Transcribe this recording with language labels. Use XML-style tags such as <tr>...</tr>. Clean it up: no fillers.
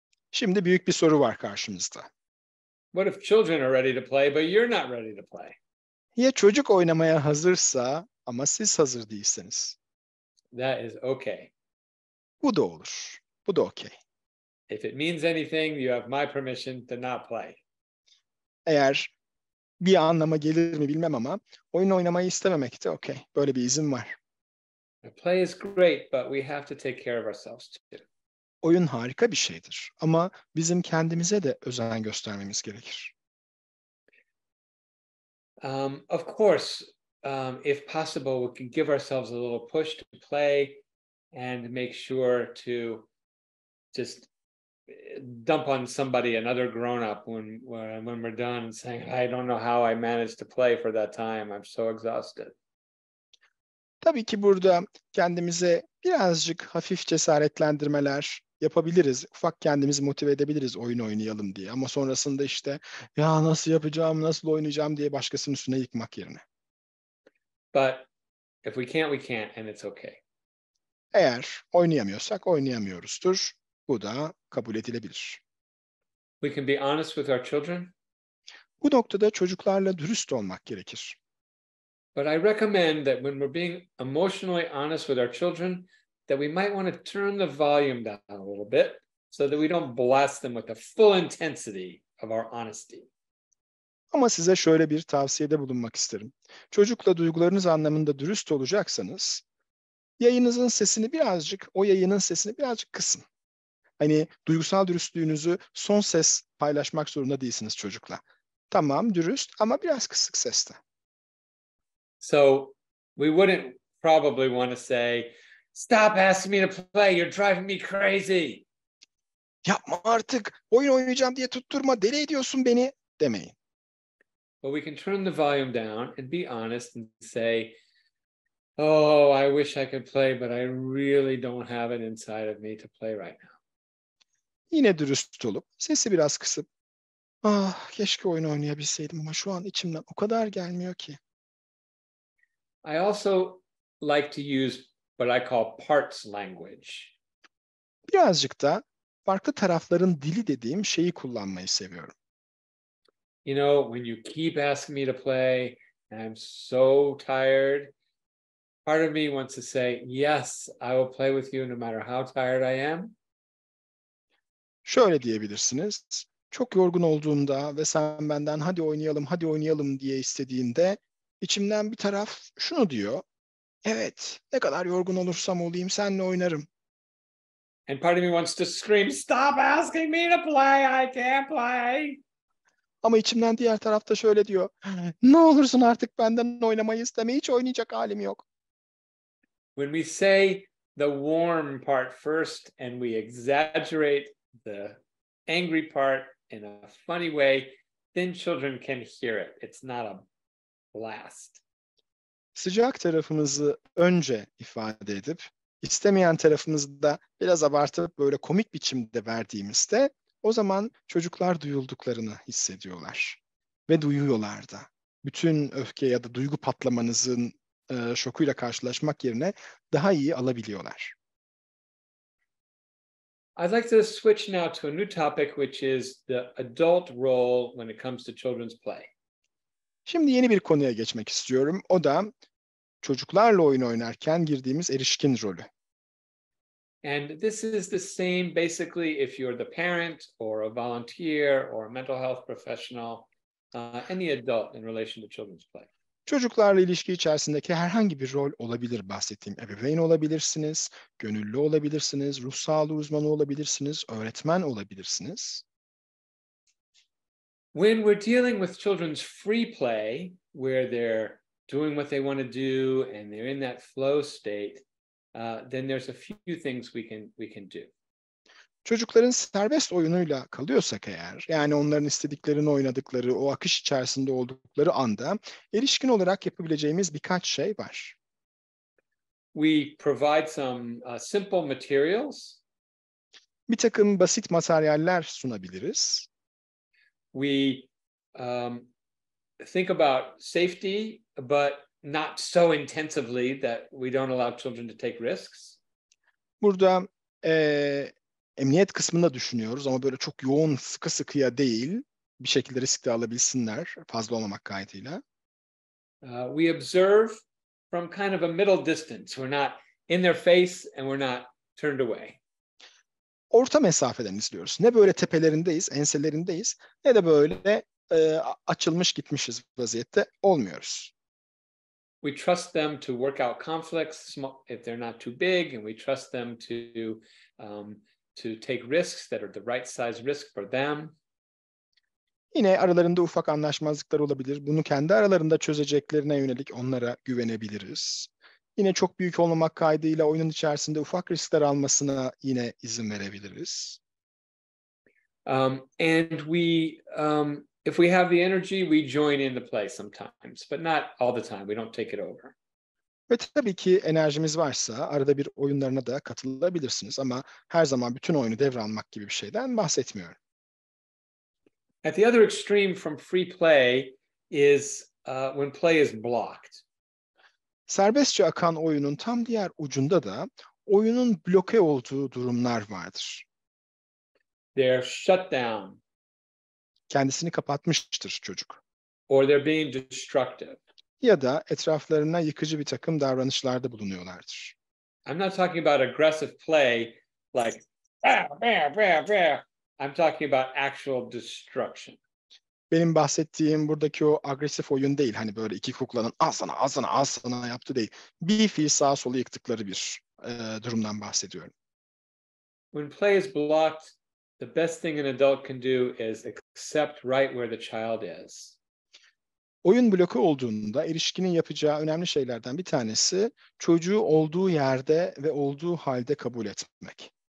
<tr>Şimdi büyük bir soru var karşımızda.</tr> <en>What if children are ready to play but you're not ready to play?</en> <tr>Ya çocuk oynamaya hazırsa ama siz hazır değilseniz.</tr> <en>That is okay.</en> <tr>Bu da olur. Bu da okay.</tr> <en>If it means anything, you have my permission to not play.</en> <tr>Eğer bir anlama gelir mi bilmem ama oyun oynamayı istememek de okay. Böyle bir izin var.</tr> <en>The play is great, but we have to take care of ourselves too.</en> <tr>Oyun harika bir şeydir ama bizim kendimize de özen göstermemiz gerekir.</tr> <en>Of course, if possible, we can give ourselves a little push to play and make sure to just dump on somebody, another grown-up, when we're done, saying, "I don't know how I managed to play for that time. I'm so exhausted."</en> <tr>Tabii ki burada kendimize birazcık hafif cesaretlendirmeler yapabiliriz. Ufak kendimizi motive edebiliriz oyun oynayalım diye. Ama sonrasında işte ya nasıl yapacağım, nasıl oynayacağım diye başkasının üstüne yıkmak yerine.</tr> <en>But if we can't, we can't and it's okay.</en> <tr>Eğer oynayamıyorsak oynayamıyoruzdur. Bu da kabul edilebilir.</tr> <en>We can be honest with our children.</en> <tr>Bu noktada çocuklarla dürüst olmak gerekir.</tr> <en>But I recommend that when we're being emotionally honest with our children, that we might want to turn the volume down a little bit so that we don't blast them with the full intensity of our honesty.</en> <tr>Ama size şöyle bir tavsiyede bulunmak isterim. Çocukla duygularınız anlamında dürüst olacaksanız yayınınızın sesini birazcık, o yayının sesini birazcık kısın. Hani duygusal dürüstlüğünüzü son ses paylaşmak zorunda değilsiniz çocukla. Tamam, dürüst ama biraz kısık seste.</tr> <en>So we wouldn't probably want to say, "Stop asking me to play. You're driving me crazy."</en> <tr>Yapma artık. Oyun oynayacağım diye tutturma. Deli ediyorsun beni. Demeyin.</tr> <en>But we can turn the volume down and be honest and say, "Oh, I wish I could play, but I really don't have it inside of me to play right now."</en> <tr>Yine dürüst olup sesi biraz kısıp, "Ah, keşke oyun oynayabilseydim ama şu an içimden o kadar gelmiyor ki."</tr> <en>I also like to use what I call parts language.</en> <tr>Birazcık da farklı tarafların dili dediğim şeyi kullanmayı seviyorum.</tr> <en>You know, when you keep asking me to play, I'm so tired. Part of me wants to say, yes, I will play with you no matter how tired I am.</en> <tr>Şöyle diyebilirsiniz. Çok yorgun olduğunda ve sen benden hadi oynayalım, hadi oynayalım diye istediğinde içimden bir taraf şunu diyor. Evet, ne kadar yorgun olursam olayım seninle oynarım.</tr> <en>And part of me wants to scream, stop asking me to play, I can't play.</en> <tr>Ama içimden diğer tarafta şöyle diyor. Ne olursun artık benden oynamayı isteme, hiç oynayacak halim yok.</tr> <en>When we say the warm part first and we exaggerate the angry part in a funny way, then children can hear it. It's not a blast.</en> <tr>Sıcak tarafımızı önce ifade edip, istemeyen tarafımızı da biraz abartıp böyle komik biçimde verdiğimizde, o zaman çocuklar duyulduklarını hissediyorlar ve duyuyorlar da. Bütün öfke ya da duygu patlamanızın şokuyla karşılaşmak yerine daha iyi alabiliyorlar.</tr> <en>I'd like to switch now to a new topic, which is the adult role when it comes to children's play.</en> <tr>Şimdi yeni bir konuya geçmek istiyorum. O da çocuklarla oyun oynarken girdiğimiz erişkin rolü.</tr> <en>And this is the same basically if you're the parent or a volunteer or a mental health professional, any adult in relation to children's play.</en> <tr>Çocuklarla ilişki içerisindeki herhangi bir rol olabilir bahsettiğim. Ebeveyn olabilirsiniz, gönüllü olabilirsiniz, ruh sağlığı uzmanı olabilirsiniz, öğretmen olabilirsiniz.</tr> <en>When we're dealing with children's free play, where they're doing what they want to do and they're in that flow state, then there's a few things we can do.</en> <tr>Çocukların serbest oyunuyla kalıyorsak eğer, yani onların istediklerini oynadıkları, o akış içerisinde oldukları anda, erişkin olarak yapabileceğimiz birkaç şey var.</tr> <en>We provide some simple materials.</en> <tr>Bir takım basit materyaller sunabiliriz.</tr> <en>We think about safety, but not so intensively that we don't allow children to take risks.</en> <tr>Burada emniyet kısmında düşünüyoruz ama böyle çok yoğun, sıkı sıkıya değil, bir şekilde risk de alabilsinler fazla olmamak kaydıyla.</tr> <en>We observe from kind of a middle distance. We're not in their face and we're not turned away.</en> <tr>Orta mesafeden izliyoruz. Ne böyle tepelerindeyiz, enselerindeyiz, ne de böyle açılmış gitmişiz vaziyette olmuyoruz.</tr> <en>We trust them to work out conflicts if they're not too big, and we trust them to take risks that are the right size risk for them.</en> <tr>Yine aralarında ufak anlaşmazlıklar olabilir. Bunu kendi aralarında çözeceklerine yönelik onlara güvenebiliriz. Yine çok büyük olmamak kaydıyla oyunun içerisinde ufak riskler almasına yine izin verebiliriz.</tr> <en>And we if we have the energy, we join in the play sometimes, but not all the time. We don't take it over.</en> <tr>Ve tabii ki enerjimiz varsa arada bir oyunlarına da katılabilirsiniz ama her zaman bütün oyunu devralmak gibi bir şeyden bahsetmiyorum.</tr> <en>At the other extreme from free play is when play is blocked.</en> <tr>Serbestçe akan oyunun tam diğer ucunda da oyunun bloke olduğu durumlar vardır.</tr> <en>They're shut down.</en> <tr>Kendisini kapatmıştır çocuk.</tr> <en>Or they're being destructive.</en> <tr>Ya da etraflarına yıkıcı bir takım davranışlarda bulunuyorlardır.</tr> <en>I'm not talking about aggressive play like bah, bah, bah, bah. I'm talking about actual destruction.</en> <tr>Benim bahsettiğim buradaki o agresif oyun değil. Hani böyle iki kuklanın al sana yaptı değil. Bir fil sağa sola yıktıkları bir durumdan bahsediyorum.</tr> <en>When play is blocked, the best thing an adult can do is accept right where the child is.</en> <tr>Oyun bloke olduğunda erişkinin yapacağı önemli şeylerden bir tanesi çocuğu olduğu yerde ve olduğu halde kabul etmek.</tr>